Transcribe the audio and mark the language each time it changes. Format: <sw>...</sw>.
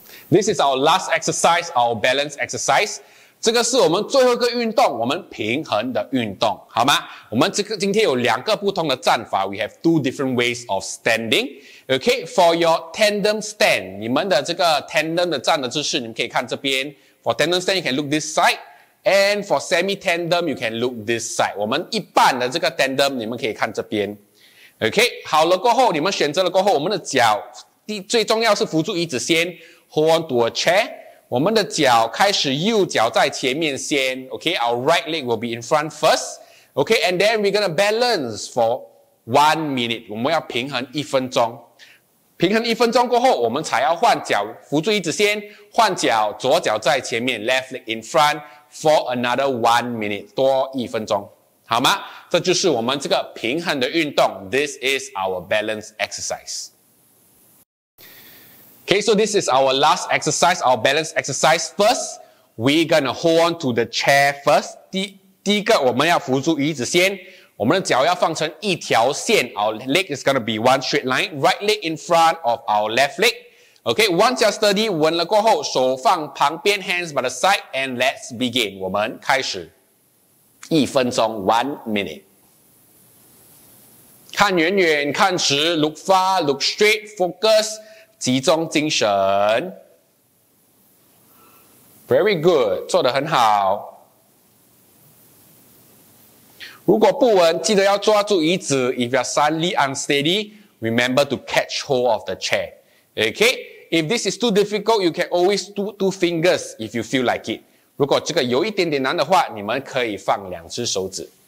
<en>This is our last exercise, our balance exercise.</en> <zh>这个是我们最后一个运动，我们平衡的运动，好吗？我们这个今天有两个不同的站法 ,</zh> <en>we have two different ways of standing. Okay, for your tandem stand,</en> <zh>你们的这个 tandem 的站的姿势你们可以看这边。</zh> <en>For tandem stand, you can look this side. And for semi-tandem, you can look this side.</en> <zh>我们一半的这个 tandem, 你们可以看这边。 Okay, 好了过后，你们选择了过后，我们的脚最重要是扶住椅子先。</zh> <en>Hold on to a chair.</en> <zh>我们的脚开始右脚在前面先。</zh> <en>Okay, our right leg will be in front first. Okay, and then we're gonna balance for 1 minute.</en> <zh>我们要平衡一分钟。平衡一分钟过后，我们才要换脚扶住椅子先，换脚，左脚在前面 ，</zh> <en>left leg in front for another 1 minute，</en> <zh>多一分钟，好吗？这就是我们这个平衡的运动 ，</zh> <en>this is our balance exercise。 Okay, so this is our last exercise, our balance exercise. First, we're gonna hold on to the chair first.</en> <zh>第一个，我们要扶住椅子先。我们的脚要放成一条线。</zh> <en>Our leg is gonna be one straight line. Right leg in front of our left leg. Okay, once you're steady,</en> <zh>稳了过后，手放旁边</zh> <en>，hands by the side, and let's begin.</en> <zh>我们开始，一分钟 ，</zh> <en>1 minute.</en> <zh>看远远，看直</zh> <en>，look far, look straight, focus.</en> <zh>集中精神 ，</zh> <en>very good，</en> <zh>做得很好。如果不稳，记得要抓住椅子。</zh> <en>If you're suddenly unsteady, remember to catch hold of the chair. Okay, if this is too difficult, you can always do two fingers if you feel like it.</en> <zh>如果这个有一点点难的话，你们可以放两只手指。</zh>